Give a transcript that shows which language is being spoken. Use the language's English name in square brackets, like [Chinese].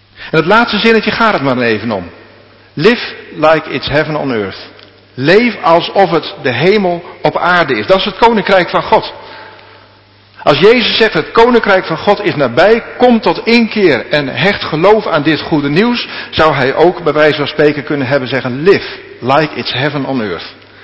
[Dutch] En het laatste zinnetje gaat het maar even om. [English] Live like it's heaven on earth. [Dutch] Leef alsof het de hemel op aarde is. Dat is het koninkrijk van God. Als Jezus zegt het koninkrijk van God is nabij, kom tot inkeer en hecht geloof aan dit goede nieuws, zou hij ook bij wijze van spreken kunnen hebben zeggen [English] live like it's heaven on earth.